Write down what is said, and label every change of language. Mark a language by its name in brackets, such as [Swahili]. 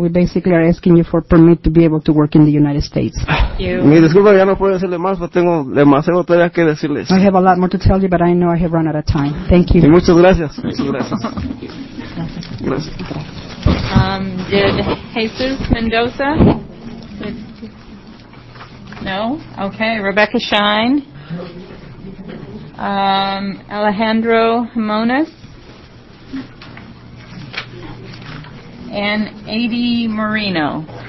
[English] We basically are asking you for permit to be able to work in the United States. [Spanish] Mi disculpa, ya no puedo decirle más, pero tengo demasiado todavía que decirles. [English] I have a lot more to tell you, but I know I have run out of time. Thank you. [Spanish] Y muchas gracias. [English] Gracias. Did Jesus Mendoza? No? Okay. Rebecca Shine? Alejandro Jimenez and A.D. Marino.